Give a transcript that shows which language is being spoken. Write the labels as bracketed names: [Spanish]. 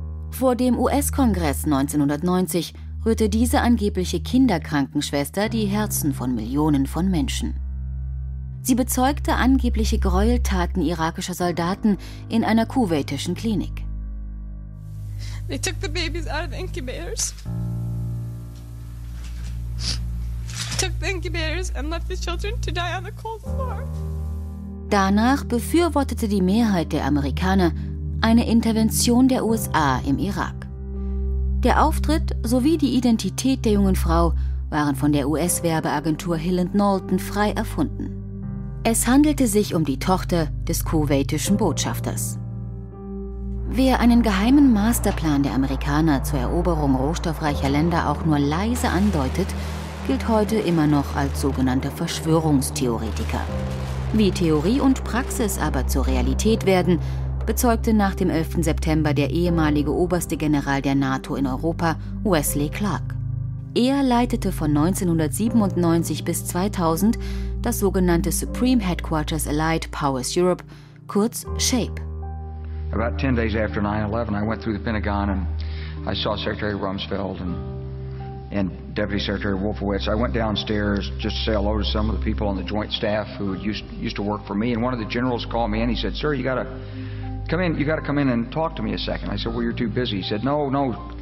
[German] Vor dem US-Kongress 1990 rührte diese angebliche Kinderkrankenschwester die Herzen von Millionen von Menschen. Sie bezeugte angebliche Gräueltaten irakischer Soldaten in einer kuwaitischen Klinik. [English] They took the babies out of the incubators. Took the incubators and left the children to die on the cold floor. [German] Danach befürwortete die Mehrheit der Amerikaner eine Intervention der USA im Irak. Der Auftritt sowie die Identität der jungen Frau waren von der US-Werbeagentur Hill & Knowlton frei erfunden. Es handelte sich um die Tochter des kuwaitischen Botschafters. Wer einen geheimen Masterplan der Amerikaner zur Eroberung rohstoffreicher Länder auch nur leise andeutet, gilt heute immer noch als sogenannter Verschwörungstheoretiker. Wie Theorie und Praxis aber zur Realität werden, bezeugte nach dem 11. September der ehemalige oberste General der NATO in Europa, Wesley Clark. Er leitete von 1997 bis 2000 das sogenannte Supreme Headquarters Allied Powers Europe, kurz SHAPE. [English] About 10 days after 9/11, I went through the Pentagon and I saw Secretary Rumsfeld and Deputy Secretary Wolfowitz. I went downstairs just to say hello to some of the people on the joint staff who used to work for me. And one of the generals called me and he said, "Sir, you gotta come in. You gotta come in and talk to me a second." I said, "Well, you're too busy." He said, "No."